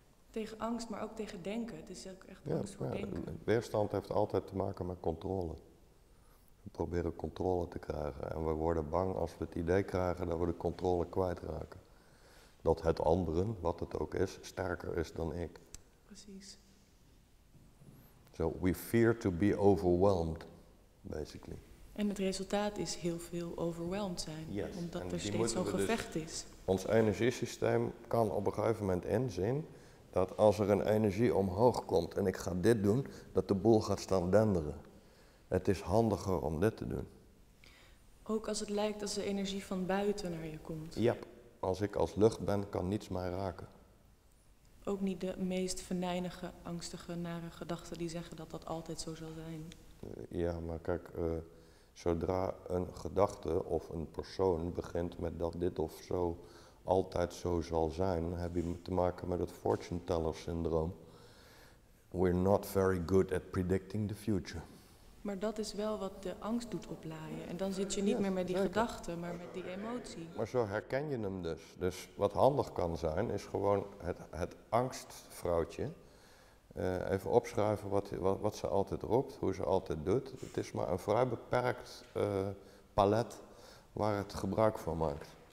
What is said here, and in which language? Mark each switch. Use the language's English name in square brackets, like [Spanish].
[Dutch] Tegen angst, maar ook tegen denken. Het is ook echt angst voor denken. Weerstand heeft altijd te maken met controle. We proberen controle te krijgen en we worden bang als we het idee krijgen dat we de controle kwijtraken. Dat het anderen, wat het ook is, sterker is dan ik. Precies. [English] So we fear to be overwhelmed, basically. [Dutch] En het resultaat is heel veel overwhelmed zijn, omdat er steeds zo'n gevecht is. Ons energiesysteem kan op een gegeven moment inzien dat als er een energie omhoog komt en ik ga dit doen, dat de boel gaat staan denderen. Het is handiger om dit te doen. Ook als het lijkt als de energie van buiten naar je komt. Ja, als ik als lucht ben, kan niets mij raken. Ook niet de meest venijnige, angstige, nare gedachten die zeggen dat dat altijd zo zal zijn. Ja, maar kijk, zodra een gedachte of een persoon begint met dat dit of zo altijd zo zal zijn, heb je te maken met het fortune teller syndroom. [English] We're not very good at predicting the future. [Dutch] Maar dat is wel wat de angst doet oplaaien. En dan zit je niet meer met die gedachte, maar met die emotie. Maar zo herken je hem dus. Dus wat handig kan zijn, is gewoon het angstvrouwtje even opschrijven wat ze altijd roept, hoe ze altijd doet. Het is maar een vrij beperkt palet waar het gebruik van maakt.